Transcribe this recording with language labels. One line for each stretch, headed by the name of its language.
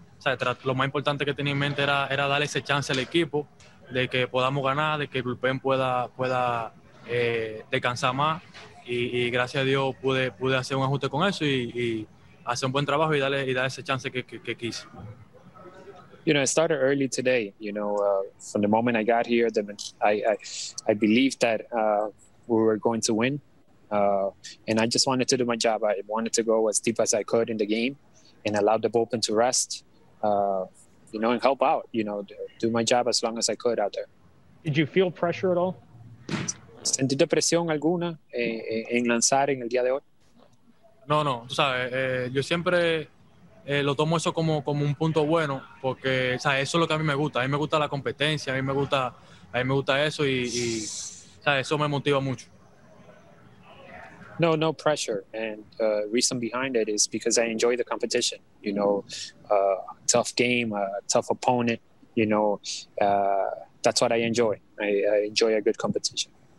Spanish: O sea, lo más importante que tenía en mente era darle ese chance al equipo de que podamos ganar, de que el bullpen pueda descansar más. Y gracias a Dios pude hacer un ajuste con eso y hacer un buen trabajo y darle ese chance que quise.
English: You know, I started early today. You know, from the moment I got here, I believed that we were going to win. And I just wanted to do my job. I wanted to go as deep as I could in the game and allow the bullpen to rest, you know, and help out, you know, do my job as long as I could out there. Did you feel pressure at all?
Spanish: ¿Sentí presión alguna en lanzar en el día de hoy? No, no. Tú sabes, yo siempre lo tomo eso como un punto bueno porque, o sea, eso es lo que a mí me gusta. A mí me gusta la competencia, a mí me gusta eso y o sea, eso me motiva mucho.
English: No, no pressure. And the reason behind it is because I enjoy the competition. You know, tough game, a tough opponent. You know, that's what I enjoy. I enjoy a good competition.